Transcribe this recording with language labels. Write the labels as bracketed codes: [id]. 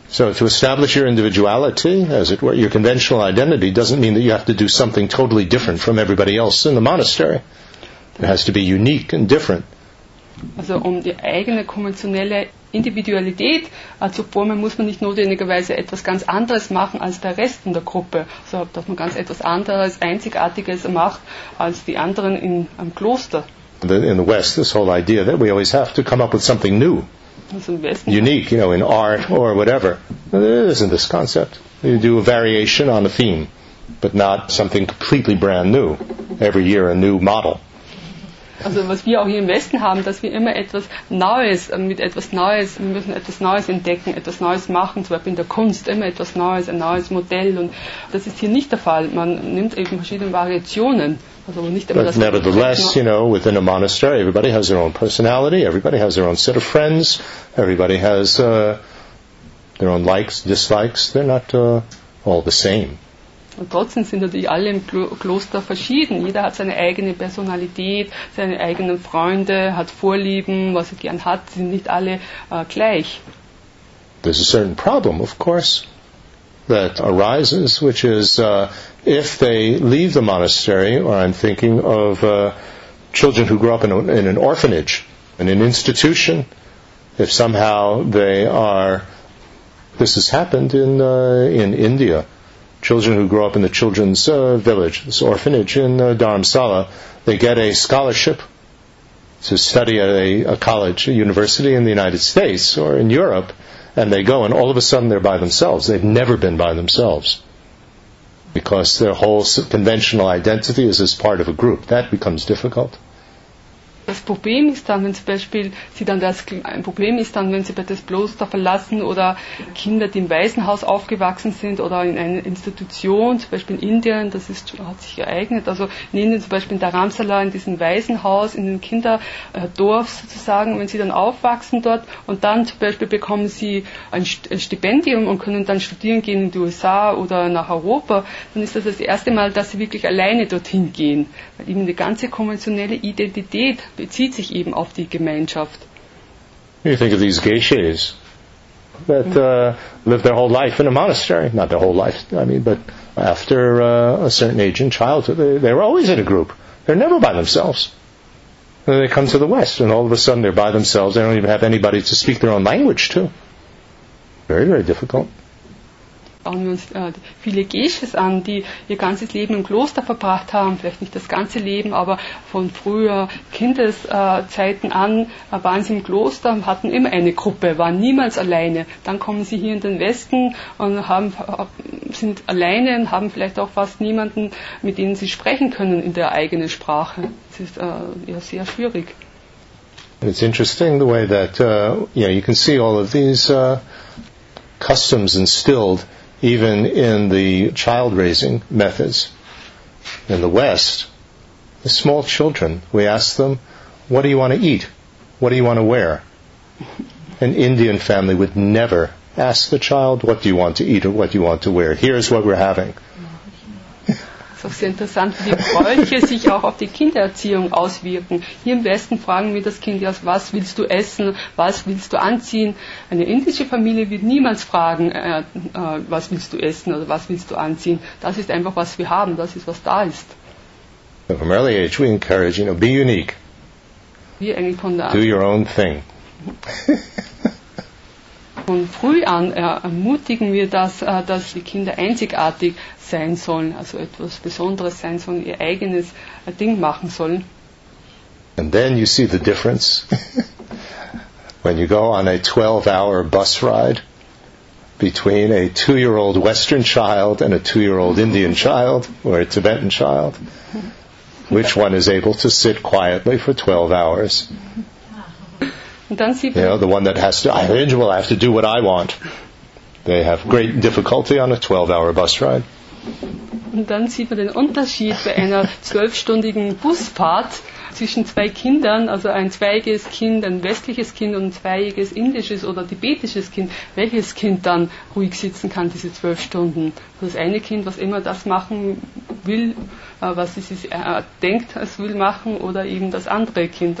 [en] So to establish your individuality, as it were, your conventional identity, doesn't mean that you have to do something totally different from everybody else in the monastery. It has to be unique and different. [de] Also um die eigene konventionelle Individualität zu formen, muss man nicht notwendigerweise etwas ganz anderes machen als der Rest in der Gruppe. Also, dass man ganz etwas anderes, Einzigartiges macht als die anderen im Kloster. [en] In the West, this whole idea that we always have to come up with something new. [de] Also im Westen. [en] Unique, you know, in art or whatever. There isn't this concept. You do a variation on a theme, but not something completely brand new. Every year a new model. [de] Also was wir auch hier im Westen haben, dass wir immer etwas Neues, mit etwas Neues, wir müssen etwas Neues entdecken, etwas Neues machen, zum Beispiel in der Kunst immer etwas Neues, ein neues Modell. Und das ist hier nicht der Fall. Man nimmt eben verschiedene Variationen. Also nicht immer [en] But [de] das [en] nevertheless, you know, within a monastery, everybody has their own personality, everybody has their own set of friends, everybody has their own likes, dislikes, they're not all the same. [de] Und trotzdem sind natürlich alle im Kloster verschieden. Jeder hat seine eigene Personalität, seine eigenen Freunde, hat Vorlieben, was er gern hat. Sind nicht alle gleich. [en] There's a certain problem, of course, that arises, which is if they leave the monastery, or I'm thinking of children who grew up in an orphanage, in an institution, if somehow they are, this has happened in India, children who grow up in the children's village, this orphanage in Dharamsala, they get a scholarship to study at a college, a university in the United States or in Europe, and they go, and all of a sudden they're by themselves. They've never been by themselves because their whole conventional identity is as part of a group. That becomes difficult. [de] Das Problem ist dann, wenn zum Beispiel sie dann das ein Problem ist dann, wenn sie das Kloster verlassen oder Kinder, die im Waisenhaus aufgewachsen sind oder in einer Institution, zum Beispiel in Indien, das ist, hat sich ereignet. Also in Indien zum Beispiel in Dharamsala, in diesem Waisenhaus, in dem Kinderdorf sozusagen, wenn sie dann aufwachsen dort und dann zum Beispiel bekommen sie ein Stipendium und können dann studieren gehen in die USA oder nach Europa, dann ist das das erste Mal, dass sie wirklich alleine dorthin gehen. Weil eben die ganze konventionelle Identität bezieht sich eben auf die Gemeinschaft. [en] You think of these geishas that live their whole life in a monastery. Not their whole life, I mean, but after a certain age in childhood, they're always in a group. They're never by themselves. Then they come to the West, and all of a sudden they're by themselves. They don't even have anybody to speak their own language to. Very, very difficult. [de] Schauen wir uns viele Geshes an, die ihr ganzes Leben im Kloster verbracht haben, vielleicht nicht das ganze Leben, aber von früher Kindeszeiten an waren sie im Kloster und hatten immer eine Gruppe, waren niemals alleine. Dann kommen sie hier in den Westen und sind alleine und haben vielleicht auch fast niemanden, mit denen sie sprechen können in der eigenen Sprache. Das ist ja sehr schwierig. [en] It's interesting the way that you can see all of these customs instilled even in the child-raising methods in the West. The small children, we ask them, what do you want to eat? What do you want to wear? An Indian family would never ask the child, what do you want to eat or what do you want to wear? Here's what we're having. [de] Auch sehr interessant, wie die Bräuche sich auch auf die Kindererziehung auswirken. Hier im Westen fragen wir das Kind, was willst du essen, was willst du anziehen? Eine indische Familie wird niemals fragen, was willst du essen oder was willst du anziehen? Das ist einfach, was wir haben, das ist, was da ist. [en] From early age we encourage, be unique. [de] Wir eigentlich von der [en] Do your own thing. [de] Von früh an ermutigen wir das, dass die Kinder einzigartig sein sollen, also etwas Besonderes sein sollen, ihr eigenes Ding machen sollen. [en] And then you see the difference when you go on a 12-hour bus ride between a 2-year-old Western child and a 2-year-old Indian child or a Tibetan child. Which one is able to sit quietly for 12 hours? And then see, the one that has to, I have to do what I want. They have great difficulty on a 12-hour bus ride. [de] Und dann sieht man den Unterschied bei einer 12-stündigen Busfahrt zwischen zwei Kindern, also ein zweijähriges Kind, ein westliches Kind und ein zweijähriges indisches oder tibetisches Kind, welches Kind dann ruhig sitzen kann, diese 12 Stunden. Das eine Kind, was immer das machen will, was es denkt, es will machen, oder eben das andere Kind.